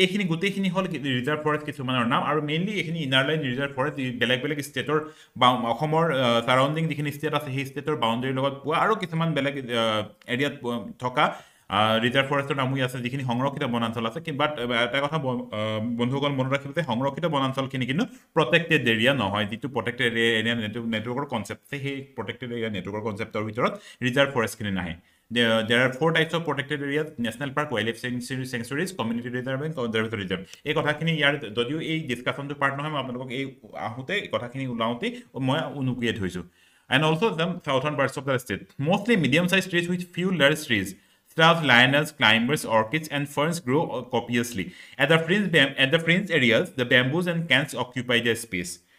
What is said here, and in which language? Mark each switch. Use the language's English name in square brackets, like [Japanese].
[Assamese] গোটেইখিনি হ'ল reserve forest কিছুমানৰ নাম, আৰু মেইনলি এইখিনি ইনাৰলাইন ৰিজাৰ্ভ ফৰেষ্ট বেলেগ বেলেগ ষ্টেটৰ বা অসমৰ চাৰাউণ্ডিং যিখিনি ষ্টেট আছে, সেই ষ্টেটৰ বাউণ্ডেৰীৰ লগত পোৱা, আৰু কিছুমান বেলেগ এৰিয়াত থকা ৰিজাৰ্ভ ফৰেষ্টৰ নামো আছে যিখিনি সংৰক্ষিত বনাঞ্চল আছে। বাট এটা কথা বন্ধুসকল মনত ৰাখিব যে সংৰক্ষিত বনাঞ্চলখিনি কিন্তু প্ৰটেক্টেড এৰিয়া নহয়, যিটো প্ৰটেক্টেড এৰিয়া নেটৱৰ্কৰ কনচেপ্ট আছে, সেই প্ৰটেক্টেড এৰিয়া নেটৱৰ্কৰ কনচেপ্টৰ ভিতৰত ৰিজাৰ্ভ ফৰেষ্টখিনি নাহে। [English] There are four types of protected areas, national park, wildlife sanctuaries, sanctuaries, community reserve and conservation reserve. [Assamese] এই কথাখিনি ইয়াৰ যদিও এই ডিছকাশ্যনটো পাৰ্ট নহয়, মই আপোনালোকক এই আহোঁতে কথাখিনি ওলাওঁতে মই উনুকিয়াই থৈছোঁ। [English] And also' them southern parts of the state, mostly medium size trees with few large trees, shrubs, lianas, climbers, orchids and ferns grow' copiously at the fringe areas, the bamboos and canes occupy the space.